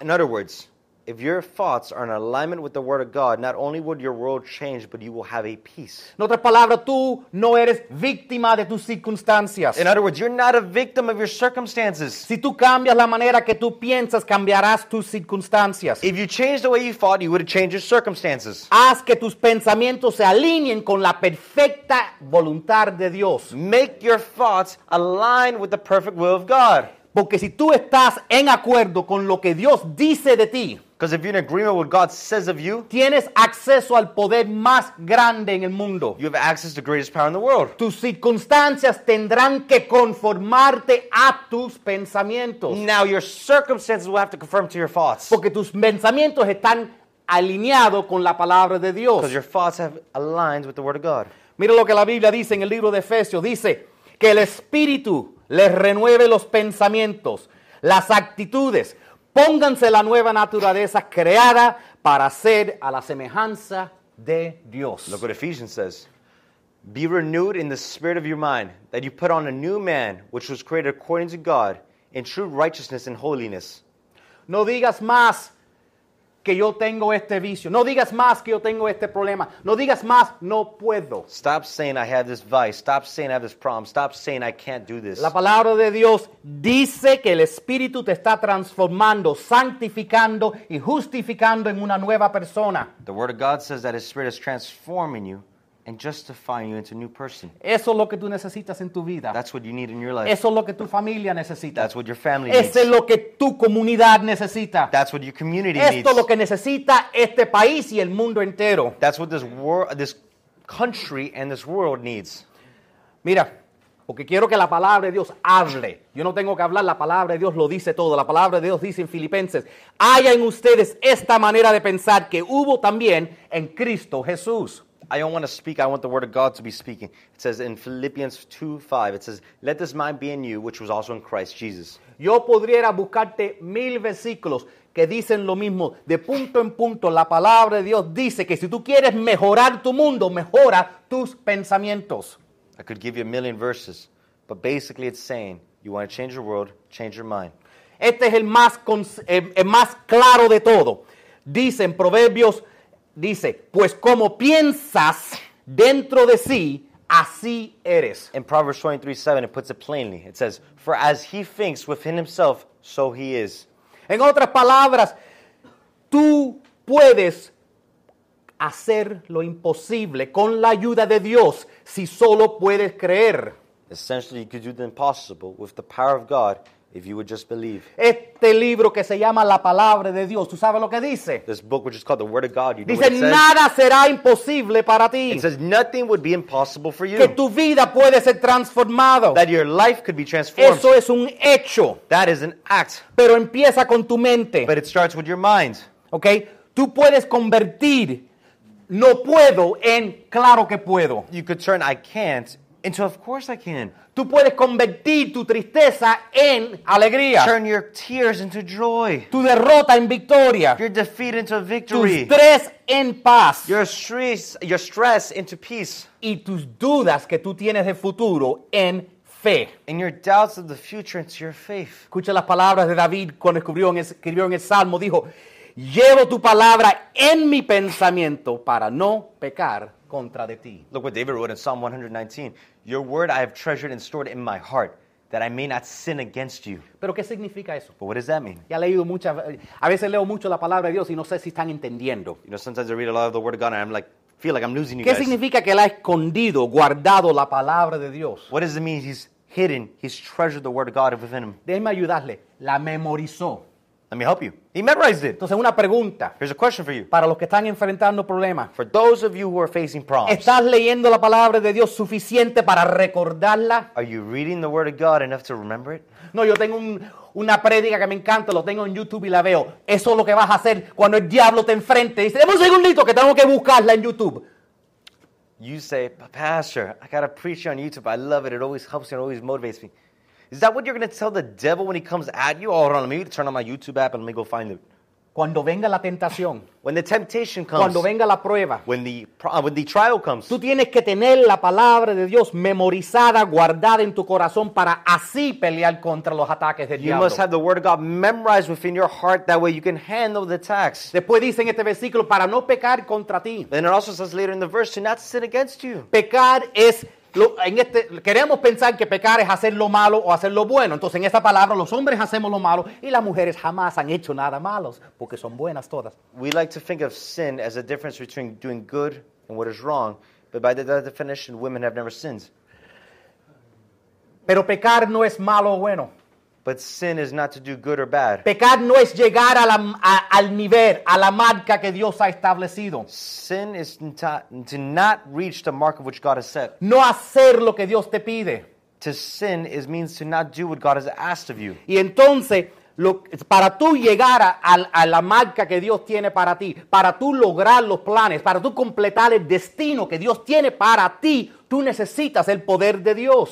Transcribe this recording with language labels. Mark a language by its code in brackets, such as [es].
[en] In other words, if your thoughts are in alignment with the word of God, not only would your world change, but you will have a peace. [es] En otras palabras, tú no eres víctima de tus circunstancias. [en] In other words, you're not a victim of your circumstances. [es] Si tú cambias la manera que tú piensas, cambiarás tus circunstancias. [en] If you change the way you thought, you would change your circumstances. [es] Haz que tus pensamientos se alineen con la perfecta voluntad de Dios. [en] Make your thoughts align with the perfect will of God. [es] Porque si tú estás en acuerdo con lo que Dios dice de ti, [en] because if you're in agreement with what God says of you, [es] tienes acceso al poder más grande en el mundo. [en] You have access to the greatest power in the world. [es] Tus circunstancias tendrán que conformarte a tus pensamientos. [en] Now your circumstances will have to conform to your thoughts. [es] Porque tus pensamientos están alineado con la palabra de Dios. [en] Because your thoughts have aligned with the word of God. [es] Mira lo que la Biblia dice en el libro de Efesios. Dice que el Espíritu les renueve los pensamientos, las actitudes. Pónganse la nueva naturaleza creada para ser a la semejanza de Dios. [en] Look what Ephesians says. Be renewed in the spirit of your mind, that you put on a new man, which was created according to God, in true righteousness and holiness. [es] No digas más que yo tengo este vicio. No digas más que yo tengo este problema. No digas más, no puedo. [en] Stop saying I have this vice. Stop saying I have this problem. Stop saying I can't do this. [es] La palabra de Dios dice que el Espíritu te está transformando, santificando y justificando en una nueva persona. [en] The word of God says that His Spirit is transforming you and justifying you into a new person. [es] Eso es lo que tú necesitas en tu vida. [en] That's what you need in your life. [es] Eso es lo que tu familia necesita. [en] That's what your family needs. [es] Eso es lo que tu comunidad necesita. [en] That's what your community needs. [es] Esto es lo que necesita este país y el mundo entero. [en] That's what this country and this world needs. [es] Mira, porque quiero que la palabra de Dios hable. Yo no tengo que hablar, la palabra de Dios lo dice todo. La palabra de Dios dice en Filipenses, haya en ustedes esta manera de pensar que hubo también en Cristo Jesús. [en] I don't want to speak. I want the word of God to be speaking. It says in Philippians 2:5, it says, let this mind be in you, which was also in Christ Jesus. [es] Yo podría buscarte mil versículos que dicen lo mismo. De punto en punto, la palabra de Dios dice que si tú quieres mejorar tu mundo, mejora tus pensamientos. [en] I could give you a million verses, but basically it's saying, you want to change your world, change your mind. [es] Este es el más claro de todo. Dice en Proverbios, dice, pues como piensas dentro de sí, así eres. [en] In Proverbs 23:7, it puts it plainly. It says, for as he thinks within himself, so he is. En otras palabras, tú puedes hacer lo imposible con la ayuda de Dios si solo puedes creer. Essentially, you could do the impossible with the power of God. If you would just believe. [es] Este libro que se llama La Palabra de Dios, ¿tú sabes lo que dice? [en] This book, which is called The Word of God, you know [es] dice, [en] what it says? [es] Dice, nada será imposible para ti. [en] It says, nothing would be impossible for you. [es] Que tu vida puede ser transformado. [en] That your life could be transformed. [es] Eso es un hecho. [en] That is an act. [es] Pero empieza con tu mente. [en] But it starts with your mind. Okay? [es] Tú puedes convertir no puedo en claro que puedo. [en] You could turn I can't into of course I can. [es] Tú puedes convertir tu tristeza en alegría. [en] Turn your tears into joy. [es] Tu derrota en victoria. [en] Your defeat into victory. [es] Tu estrés en paz. [en] Your stress into peace. [es] Y tus dudas que tú tienes de futuro en fe. [en] And your doubts of the future into your faith. [es] Escucha las palabras de David cuando escribió en el Salmo. Dijo, llevo tu palabra en mi pensamiento para no pecar contra de ti. [en] Look what David wrote in Psalm 119. Your word I have treasured and stored in my heart, that I may not sin against you. [es] ¿Pero qué significa eso? [en] But what does that mean? [es] Ya he leído muchas, a veces leo mucho la palabra de Dios y no sé si están entendiendo. [en] You know, sometimes I read a lot of the word of God and I'm like, feel like I'm losing you [es] ¿Qué [en] guys. [es] ¿Qué significa que él ha escondido, guardado la palabra de Dios? [en] What does it mean he's hidden, he's treasured the word of God within him? [es] Déjeme ayudarle. La memorizó. [en] Let me help you. He memorized it. [es] Entonces, una pregunta. [en] Here's a question for you. [es] Para los que están enfrentando problemas. [en] For those of you who are facing problems. [es] ¿Estás leyendo la palabra de Dios suficiente para recordarla? [en] Are you reading the word of God enough to remember it? [es] No, yo tengo una prédica que me encanta. Lo tengo en YouTube y la veo. Eso es lo que vas a hacer cuando el diablo te enfrente. Dice, dame un segundito que tengo que buscarla en YouTube. [en] You say, Pastor, I got to preach on YouTube. I love it. It always helps me. It always motivates me. Is that what you're going to tell the devil when he comes at you? Oh, hold on, let me turn on my YouTube app and let me go find it. [es] Cuando venga la tentación. [en] When the temptation comes. [es] Cuando venga la prueba. [en] When the trial comes. [es] Tú tienes que tener la palabra de Dios memorizada, guardada en tu corazón para así pelear contra los ataques del diablo. [en] You must have the word of God memorized within your heart. That way you can handle the attacks. [es] Después dice en este versículo, para no pecar contra ti. [en] And it also says later in the verse, to not sin against you. [es] Pecar es queremos pensar que pecar es hacer lo malo o hacer lo bueno. Entonces, en esa palabra, los hombres hacemos lo malo y las mujeres jamás han hecho nada malo porque son buenas todas. [en] We like to think of sin as a difference between doing good and what is wrong, but by that definition, women have never sinned. [es] Pero pecar no es malo o bueno. [en] But sin is not to do good or bad. [es] Pecar no es llegar al nivel, a la marca que Dios ha establecido. [en] Sin is to not reach the mark of which God has set. [es] No hacer lo que Dios te pide. [en] To sin means to not do what God has asked of you. [es] Y entonces, Para tú llegar a la marca que Dios tiene para ti, para tú lograr los planes, para tú completar el destino que Dios tiene para ti, tú necesitas el poder de Dios.